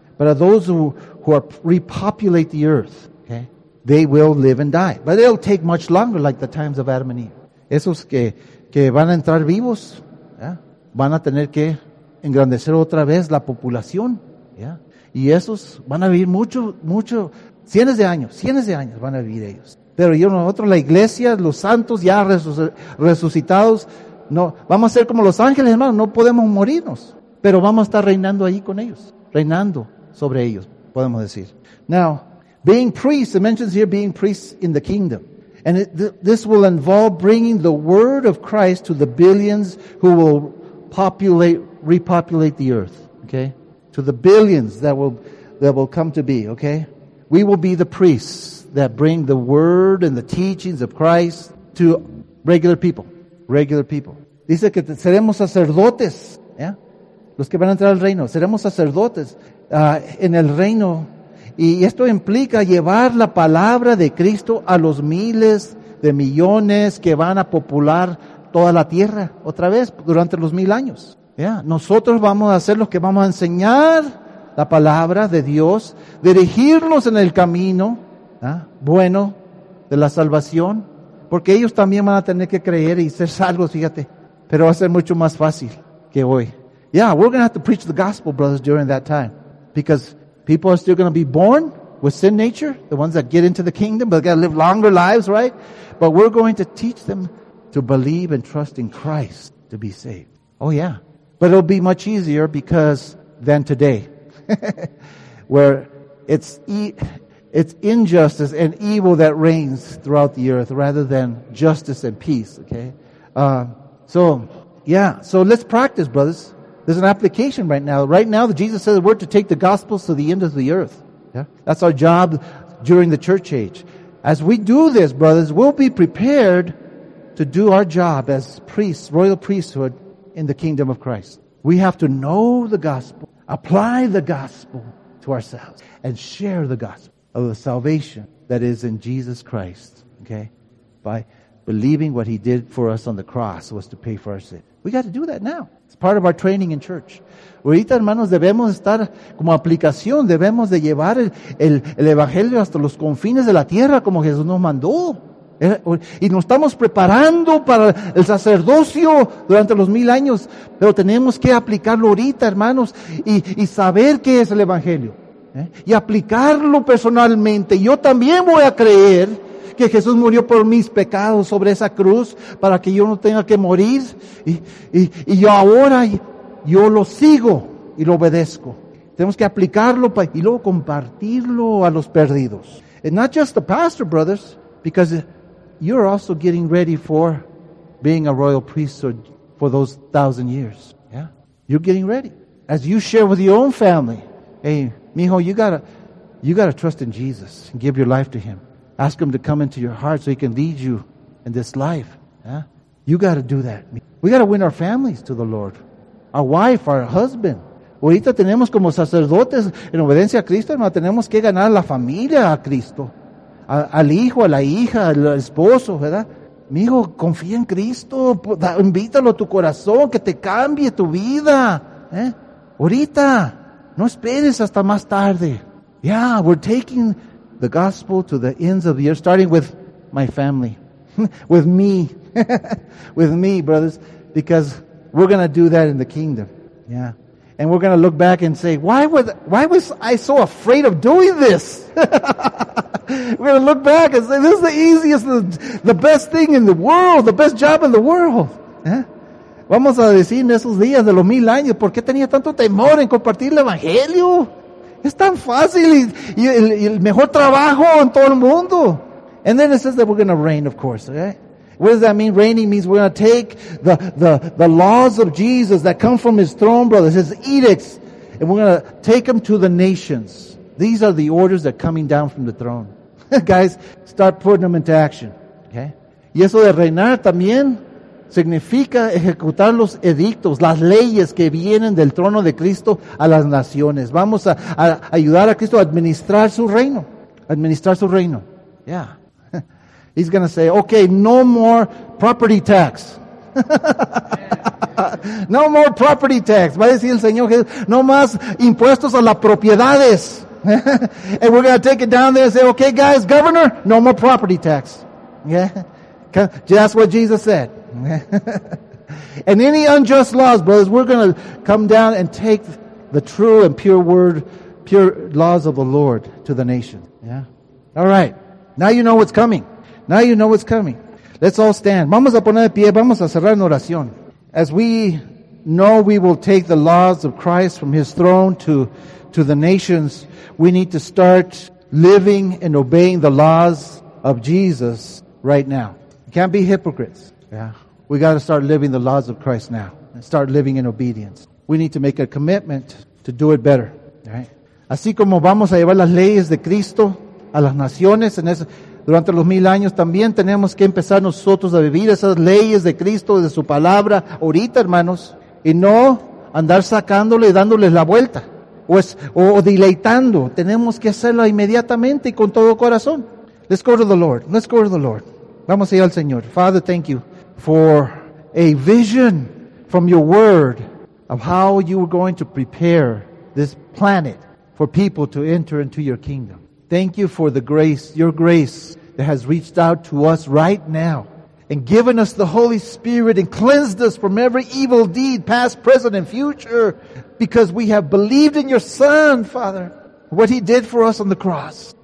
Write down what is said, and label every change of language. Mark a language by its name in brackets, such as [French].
[English] But those who are repopulate the earth, okay, they will live and die. But it'll take much longer, like the times of Adam and Eve. [Spanish] Esos que van a entrar vivos, yeah, van a tener que engrandecer otra vez la población, yeah. Y esos van a vivir mucho, cientos de años van a vivir ellos. Pero yo, nosotros, la iglesia, los santos ya resucitados, no, vamos a ser como los ángeles, hermano, no podemos morirnos. Pero vamos a estar reinando ahí con ellos, reinando sobre ellos, podemos decir. [English] Now, being priests, it mentions here being priests in the kingdom. And this will involve bringing the word of Christ to the billions who will repopulate the earth, okay? To the billions that will come to be, okay? We will be the priests that bring the word and the teachings of Christ to regular people. [Spanish] Dice que seremos sacerdotes, yeah? Los que van a entrar al reino, seremos sacerdotes en el reino. Y esto implica llevar la palabra de Cristo a los miles de millones que van a popular toda la tierra otra vez durante los 1,000 años. Yeah. Nosotros vamos a ser los que vamos a enseñar la palabra de Dios, dirigirlos en el camino, ¿eh?, bueno, de la salvación, porque ellos también van a tener que creer y ser salvos, fíjate, pero va a ser mucho más fácil que hoy. [English] Yeah, we're going to have to preach the gospel, brothers, during that time, because people are still going to be born with sin nature, the ones that get into the kingdom, but they got to live longer lives, right? But we're going to teach them to believe and trust in Christ to be saved. Oh, yeah. But it'll be much easier than today, where it's injustice and evil that reigns throughout the earth rather than justice and peace, okay? So let's practice, brothers. There's an application right now. Right now, Jesus says we're to take the gospel to the end of the earth. Yeah? That's our job during the church age. As we do this, brothers, we'll be prepared to do our job as priests, royal priesthood, in the kingdom of Christ. We have to know the gospel, apply the gospel to ourselves, and share the gospel of the salvation that is in Jesus Christ, okay? By believing what he did for us on the cross was to pay for our sin. We got to do that now. It's part of our training in church. [Spanish] Ahorita, hermanos, debemos estar como aplicación, debemos de llevar el evangelio hasta los confines de la tierra como Jesús nos mandó. Y nos estamos preparando para el sacerdocio durante los 1,000 años, pero tenemos que aplicarlo ahorita, hermanos, y saber qué es el evangelio, ¿eh?, y aplicarlo personalmente. Yo también voy a creer que Jesús murió por mis pecados sobre esa cruz para que yo no tenga que morir, y yo ahora yo lo sigo y lo obedezco. Tenemos que aplicarlo y luego compartirlo a los perdidos. [English] And not just the pastor, brothers, because you're also getting ready for being a royal priesthood for those 1,000 years. Yeah, you're getting ready. As you share with your own family, hey, mijo, you gotta trust in Jesus and give your life to him. Ask him to come into your heart so he can lead you in this life. Yeah? You gotta do that. We gotta win our families to the Lord. Our wife, our husband. [Spanish] Ahorita tenemos como sacerdotes en obediencia a Cristo, hermano, tenemos que ganar la familia a Cristo. Al hijo, a la hija, al esposo, ¿verdad? Mijo, confía en Cristo, invítalo a tu corazón, que te cambie tu vida, ¿eh? Ahorita, no esperes hasta más tarde. [English] Yeah, we're taking the gospel to the ends of the earth, starting with my family, with me, with me, brothers, because we're going to do that in the kingdom, yeah. And we're going to look back and say, why was I so afraid of doing this? We're going to look back and say, this is the easiest, the best thing in the world, the best job in the world. ¿Eh? [Spanish] Vamos a decir en esos días de los 1,000 años, ¿por qué tenía tanto temor en compartir el evangelio? Es tan fácil y el mejor trabajo en todo el mundo. [English] And then it says that we're going to reign, of course, okay? What does that mean? Reigning means we're going to take the laws of Jesus that come from his throne, brothers, his edicts, and we're going to take them to the nations. These are the orders that are coming down from the throne. Guys, start putting them into action. Okay? [Spanish] Y eso de reinar también significa ejecutar los edictos, las leyes que vienen del trono de Cristo a las naciones. Vamos a ayudar a Cristo a administrar su reino. administrar su reino. Yeah. [English] He's going to say, okay, no more property tax. No more property tax. [Spanish] Va a decir el Señor, no más impuestos a las propiedades. [English] And we're going to take it down there and say, okay, guys, governor, no more property tax. Yeah. That's what Jesus said. And any unjust laws, brothers, we're going to come down and take the true and pure word, pure laws of the Lord to the nation. Yeah. All right. Now you know what's coming. Now you know what's coming. Let's all stand. [Spanish] Vamos a poner de pie. Vamos a cerrar en oración. [English] As we know we will take the laws of Christ from His throne to the nations, we need to start living and obeying the laws of Jesus right now. You can't be hypocrites. Yeah. We got to start living the laws of Christ now. And start living in obedience. We need to make a commitment to do it better. Right? [Spanish] Así como vamos a llevar las leyes de Cristo a las naciones en ese... Durante los mil años también tenemos que empezar nosotros a vivir esas leyes de Cristo, de su palabra, ahorita, hermanos, y no andar sacándole y dándoles la vuelta, o deleitando. Tenemos que hacerlo inmediatamente y con todo corazón. [English] Let's go to the Lord. Let's go to the Lord. [Spanish] Vamos a ir al Señor. [English] Father, thank you for a vision from your word of how you were going to prepare this planet for people to enter into your kingdom. Thank you for the grace, your grace that has reached out to us right now and given us the Holy Spirit and cleansed us from every evil deed, past, present, and future, because we have believed in your Son, Father, what He did for us on the cross.